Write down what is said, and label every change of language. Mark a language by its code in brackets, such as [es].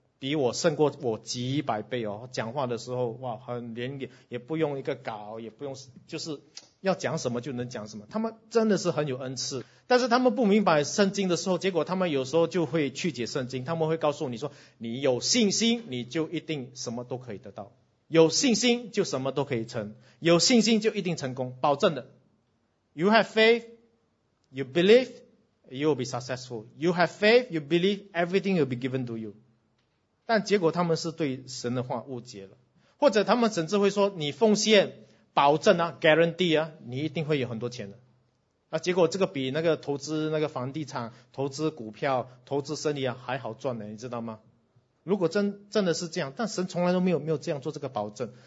[zh] 比我胜过我几百倍哦，讲话的时候哇很连连，也不用一个稿，也不用就是要讲什么就能讲什么，他们真的是很有恩赐。但是他们不明白圣经的时候，结果他们有时候就会曲解圣经，他们会告诉你说你有信心你就一定什么都可以得到。有信心就什么都可以成，有信心就一定成功，保证的。 [en] You have faith, you believe, you will be successful. You have faith, you believe, everything will be given to you. [zh] 但结果他们是对神的话误解了，或者他们甚至会说你奉献保证啊 guarantee 啊，你一定会有很多钱的。那结果这个比那个投资那个房地产、投资股票、投资生意啊还好赚呢，你知道吗？如果真的是这样，但神从来都没有这样做这个保证。